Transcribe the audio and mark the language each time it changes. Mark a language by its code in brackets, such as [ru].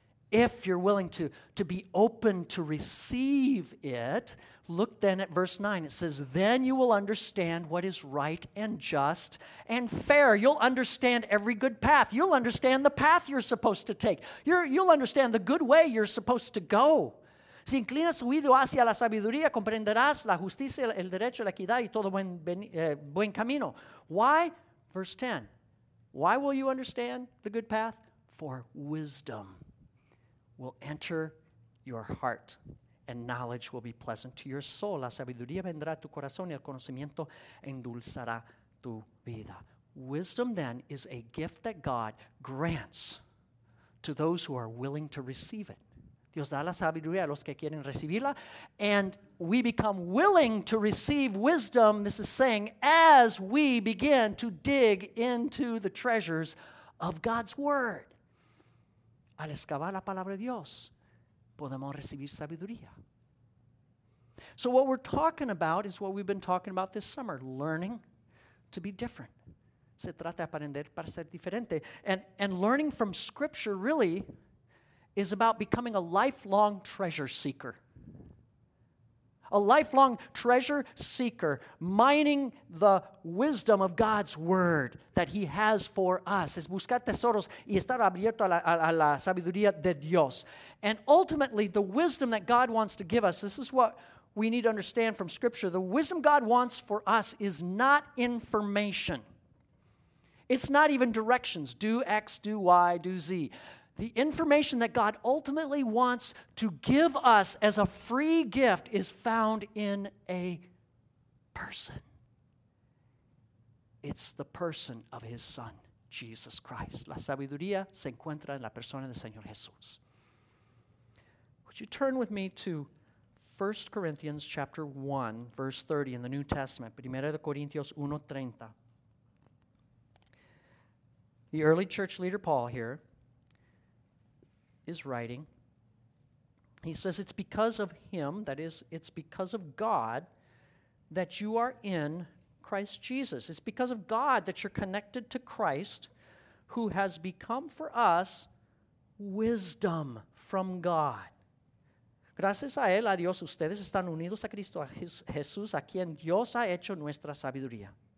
[en] If you're willing to be open to receive it, look then at verse 9. It says, then you will understand what is right and just and fair. You'll understand every good path. You'll understand the path you're supposed to take. You'll understand the good way you're supposed to go. [es] Si inclinas tu oído hacia la sabiduría, comprenderás la justicia, el derecho, la equidad y todo buen camino. [en] Why? Verse 10. Why will you understand the good path? For wisdom will enter your heart, and knowledge will be pleasant to your soul. [es] La sabiduría vendrá a tu corazón, y el conocimiento endulzará tu vida. [en] Wisdom, then, is a gift that God grants to those who are willing to receive it. [es] Dios da la sabiduría a los que quieren recibirla, [en] and we become willing to receive wisdom, this is saying, as we begin to dig into the treasures of God's Word. [es] Al excavar la palabra de Dios, podemos recibir sabiduría. [en] So what we're talking about is what we've been talking about this summer, learning to be different. [es] Se trata de aprender para ser diferente. [en] And learning from Scripture really is about becoming a lifelong treasure seeker. A lifelong treasure seeker, mining the wisdom of God's word that he has for us. [es] Es buscar tesoros y estar abierto a la sabiduría de Dios. [en] And ultimately, the wisdom that God wants to give us, this is what we need to understand from Scripture. The wisdom God wants for us is not information. It's not even directions. Do X, do Y, do Z. The information that God ultimately wants to give us as a free gift is found in a person. It's the person of his Son, Jesus Christ. [es] La sabiduría se encuentra en la persona del Señor Jesús. [en] Would you turn with me to 1 Corinthians chapter 1, verse 30 in the New Testament, 1 Corinthians 1, 30. The early church leader Paul here is writing. He says, it's because of him, that is, it's because of God, that you are in Christ Jesus. It's because of God that you're connected to Christ, who has become for us wisdom from God. [es] Gracias a él, a Dios, ustedes están unidos a Cristo, a Jesús, a quien Dios ha hecho nuestra sabiduría.